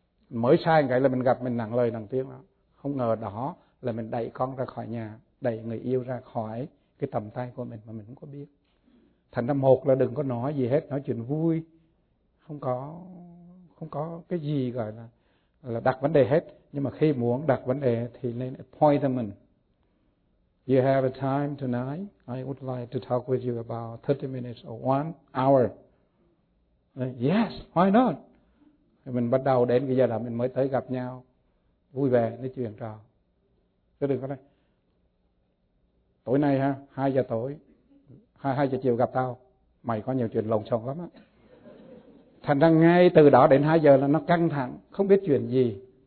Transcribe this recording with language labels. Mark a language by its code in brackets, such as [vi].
[vi] Mới sai cái là mình gặp mình nặng lời nặng tiếng đó. Không ngờ đó là mình đẩy con ra khỏi nhà, đẩy người yêu ra khỏi cái tầm tay của mình mà mình không có biết. Thành ra một là đừng có nói gì hết, nói chuyện vui, không có cái gì gọi là đặt vấn đề hết. Nhưng mà khi muốn đặt vấn đề thì nên appointment. [en] You have a time tonight? I would like to talk with you about 30 minutes or 1 hour. Yes, why not? [vi] Thì mình bắt đầu đến cái giờ đó mình mới tới gặp nhau, vui vẻ nói chuyện trò. Chứ đừng có nói tối nay ha, 2 giờ tối, 2 giờ chiều gặp tao, mày có nhiều chuyện lộn xộn lắm á. Thành ra ngay từ đó đến 2 giờ là nó căng thẳng, không biết chuyện gì.